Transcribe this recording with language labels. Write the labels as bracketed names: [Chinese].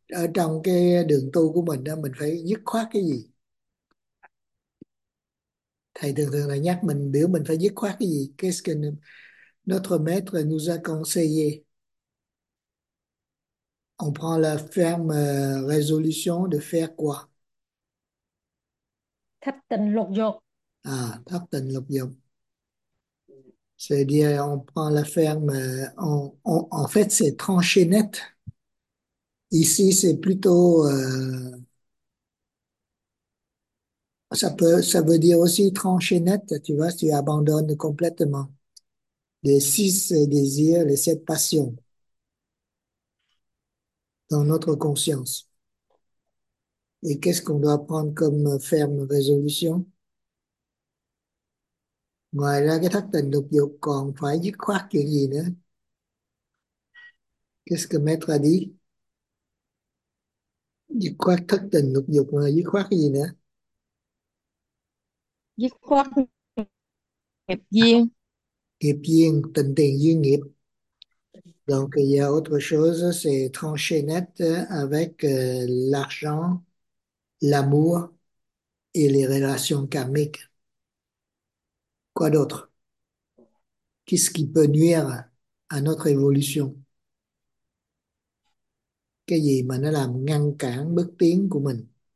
[Vietnamese] Ở trong cái đường tu của mình đó, mình phải dứt khoát cái gì? Thầy thường thường là nhắc mình, biểu mình phải dứt khoát cái gì? [French] Qu'est-ce que notre maître nous a conseillé? On prend la ferme résolution de faire quoi? [Vietnamese] Thất tình lục dục. À, thất tình lục dục. [French] C'est dire on prend la ferme, en fait c'est trancher net. Ici c'est plutôt ça veut dire aussi trancher net, tu vois, tu abandonnes complètement les six désirs, les sept passions dans notre conscience. Et qu'est-ce qu'on doit prendre comme ferme résolution? [Vietnamese] Ngoài ra cái thất tình lục dục còn phải dứt khoát chuyện gì nữa? [French] Qu'est-ce que maître a dit? [Vietnamese] Dứt khoát thất tình lục dục là dứt khoát cái gì nữa? Dứt khoát nghiệp duyên. Nghiệp duyên, tình tiền duyên nghiệp. [French] Donc, il y a autre chose, c'est trancher net avec l'argent, l'amour et les relations karmiques. Quoi d'autre? Qu'est-ce qui peut nuire à notre évolution? [Vietnamese] Cái gì mà nó làm ngăn cản bước tiến của mình?